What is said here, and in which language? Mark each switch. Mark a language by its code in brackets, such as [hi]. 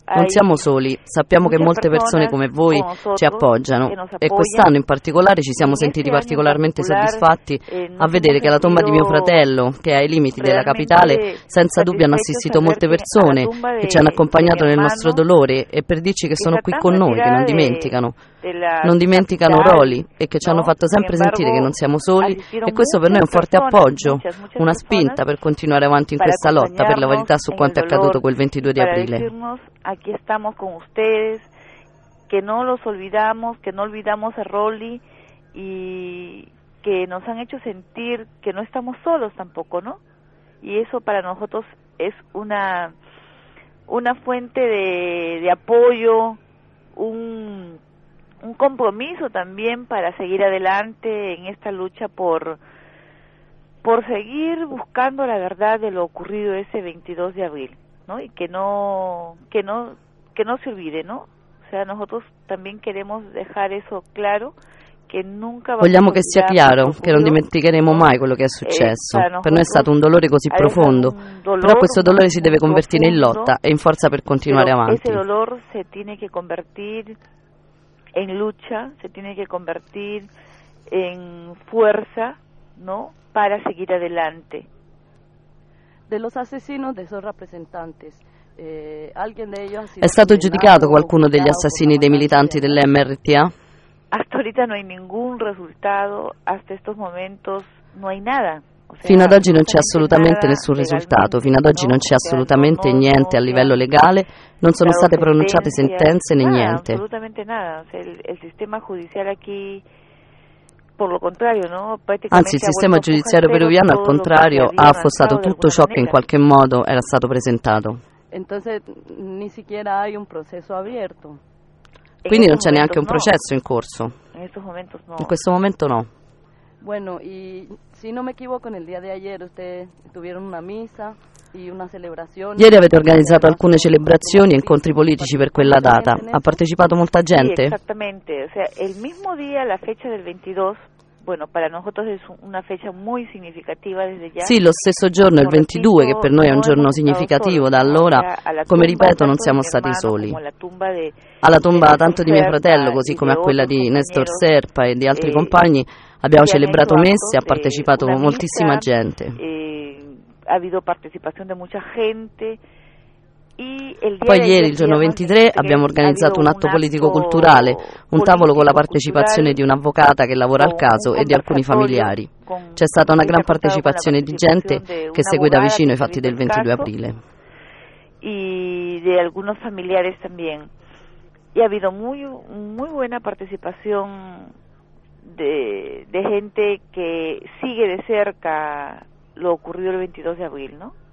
[it] Non siamo soli, sappiamo che molte persone come voi ci appoggiano e quest'anno in particolare ci siamo sentiti particolarmente soddisfatti a vedere che la tomba di mio fratello, che è ai limiti della capitale, senza dubbio hanno assistito molte persone che ci hanno accompagnato nel nostro dolore e per dirci che sono qui con noi, che non dimenticano. Non dimenticano Rolly e che ci hanno fatto sempre sentire che non siamo soli e questo per noi è un forte appoggio, una spinta per continuare avanti in questa lotta per la verità su quanto è accaduto quel 22 di aprile. [es] Aquí estamos con ustedes, que no los olvidamos, que no olvidamos a Rolly y que nos han hecho sentir que no estamos solos tampoco, ¿no? Y eso para nosotros es una fuente de apoyo, un compromiso también para seguir adelante en esta lucha por seguir buscando la verdad de lo ocurrido ese 22 de abril. ¿No? Y que no se olvide, ¿no? O sea, nosotros también queremos dejar eso claro, que nunca [it] vogliamo che sia chiaro che non dimenticheremo mai quello che è successo. Per noi è stato un dolore così profondo, però questo dolore si deve convertire in lotta e in forza per continuare avanti. [es] Ese dolor se tiene que convertir en lucha, se tiene que convertir en fuerza, ¿no? Para seguir adelante. De los asesinos de esos representantes. ¿Alguien de ellos ha sido [it] è stato giudicato qualcuno degli assassini dei militanti dell'MRTA? [es] Hasta ahorita no hay ningún resultado, hasta estos momentos no hay nada. [it] Fino ad oggi non c'è assolutamente nessun risultato, fino ad oggi non c'è assolutamente niente a livello legale, non sono state pronunciate sentenze né niente. Assolutamente [es] nada, [it] il sistema giudiziario qui. [es] Por lo contrario, ¿no? [it] Anzi, il sistema giudiziario peruviano, al contrario, ha affossato tutto ciò che in qualche modo era stato presentato. [es] Entonces, ni siquiera hay un proceso abierto. [it] Quindi non c'è neanche un processo in corso. [es] En estos momentos no. [it] In questo momento no. [es] Bueno, y si no me equivoco, en el día de ayer ustedes tuvieron una misa. [it] Ieri avete organizzato alcune celebrazioni e incontri politici per quella data. Ha partecipato molta gente? Esattamente, [es] o sea, el mismo día, la fecha del 22. Bueno, para nosotros es una fecha muy significativa desde ya. [it] Sì, lo stesso giorno, il 22, che per noi è un giorno significativo da allora, come ripeto, non siamo stati soli. Alla tomba tanto di mio fratello, così come a quella di Néstor Serpa e di altri compagni, abbiamo celebrato messe, ha partecipato moltissima gente. [es] Ha habido participación de mucha gente. [it] Poi ieri, il giorno 23, abbiamo organizzato un atto politico-culturale, un tavolo con la partecipazione di un'avvocata che lavora al caso e di alcuni familiari. C'è stata una gran partecipazione di gente che segue da vicino i fatti del 22 aprile. E di alcuni familiari anche. E ha avuto molto buona partecipazione di gente che [es] segue di cerca lo ocurrido [it] il 22 di aprile, no?